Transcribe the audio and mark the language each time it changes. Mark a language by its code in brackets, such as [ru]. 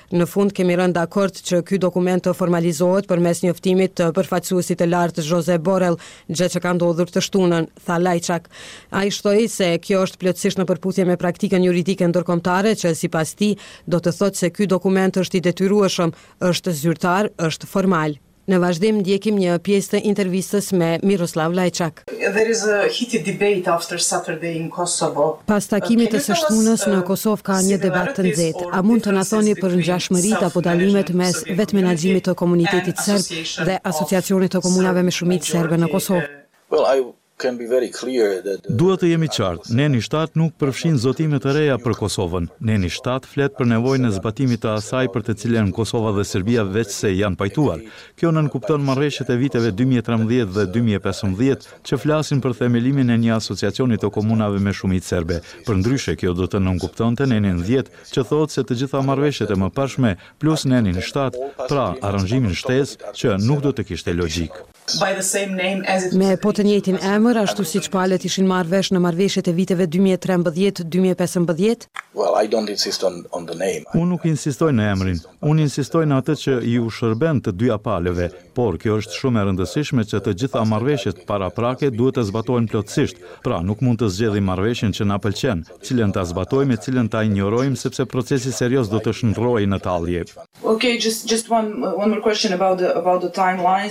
[sq] Në fund kemi rënë dakord që ky dokument të formalizohet përmes njoftimit të përfaqësuesit të lartë Josep Borrell, gjë që ka ndodhur të shtunën, tha Lajçak. Ai shtoi se kjo është plotësisht në përputhje me praktikën juridike ndërkombëtare që sipas tij do të thotë se ky dokument është i detyrueshëm, është zyrtar, është formal. Në vazhdim ndjekim një pjesë të intervistës me Miroslav Lajçak. [en] There is a heated debate after Saturday in Kosovo. [sq] Pas takimit të së shtunës në Kosovë ka një debat të nxehtë. A mund të na thoni për ngjashmëritë apo dallimet mes vetë menaxhimit të komunitetit serb dhe asociacionit të komunave me shumicë serbe në Kosovë? [en] Well, I can be very clear that [sq] duhet të jemi qartë, neni 7 nuk përfshin zotime të reja për Kosovën. Neni 7 flet për nevojën e zbatimit të asaj për të cilën Kosova dhe Serbia veçse janë pajtuar. Kjo nënkupton marrëveshjet e viteve 2013 dhe 2015 që flasin për themelimin e një asociacioni të komunave me shumicë serbe. Përndryshe, kjo do të nënkuptonte nenin 10 që thot se të gjitha marrëveshjet e mëparshme plus nenin 7, pra aranzhimin shtesë që nuk do të kishte logjik. [en] By the same name as it [sq] me po të njëjtin emër, ashtu siç palët ishin marrë vesh në marrëveshjet e viteve 2013-2015. [en] Well, I don't insist on the name. [sq] Unë nuk insistoj në emrin. Unë insistoj në atë që ju shërben të dyja palëve, por kjo është shumë e rëndësishme që të gjitha marrëveshjet paraprake duhet të zbatohen plotësisht. Pra, nuk mund të zgjedhim marrëveshjen që na pëlqen, cilën ta zbatojmë, cilën ta injorojmë sepse procesi serioz do të shndrojë në tallje. [en] Okay, just one more question about the timeline.